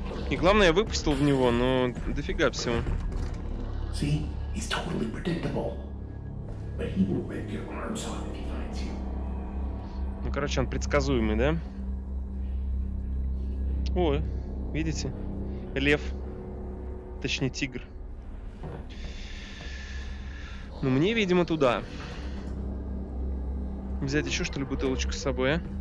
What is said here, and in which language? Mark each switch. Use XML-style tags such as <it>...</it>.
<ru>И главное, я выпустил в него, но дофига всего.</ru> <en>See, he's totally predictable. But he will rip your arms off if he finds you.</en> <ru>Ну, короче, он предсказуемый, да? О, видите? Лев. Точнее, тигр. Ну, мне, видимо, туда. Взять еще, что ли, бутылочку с собой, а?</ru>